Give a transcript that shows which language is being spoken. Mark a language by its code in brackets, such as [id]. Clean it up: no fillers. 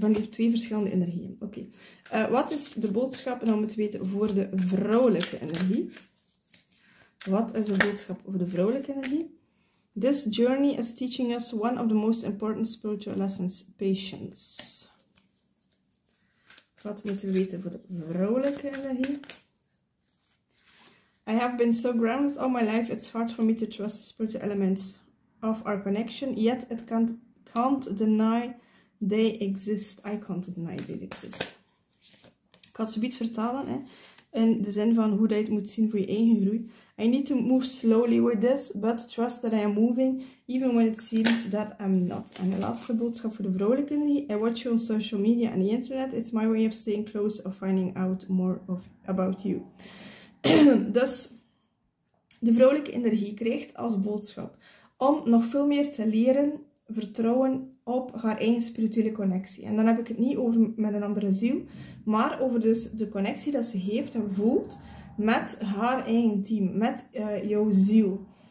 [nl] twee verschillende energieën. Oké. Wat is de boodschap om het te weten voor de vrouwelijke energie? Wat is de boodschap voor de vrouwelijke energie? [en] This journey is teaching us one of the most important spiritual lessons, patience. [nl] Wat moeten we weten voor de vrouwelijke energie? [en] I have been so grounded all my life, it's hard for me to trust the spiritual elements of our connection, yet it can't deny they exist. I can't deny they exist. [nl] Ik had ze beetje vertalen, hè. In de zin van hoe dat je het moet zien voor je eigen groei. [en] I need to move slowly with this, but trust that I am moving, even when it seems that I'm not. [nl] En de laatste boodschap voor de vrouwelijke energie. [en] I watch you on social media and the internet. It's my way of staying close of finding out more of, about you. [nl] Dus, de vrouwelijke energie krijgt als boodschap om nog veel meer te leren vertrouwen op haar eigen spirituele connectie. En dan heb ik het niet over met een andere ziel, maar over dus de connectie dat ze heeft en voelt met haar eigen team, met jouw ziel.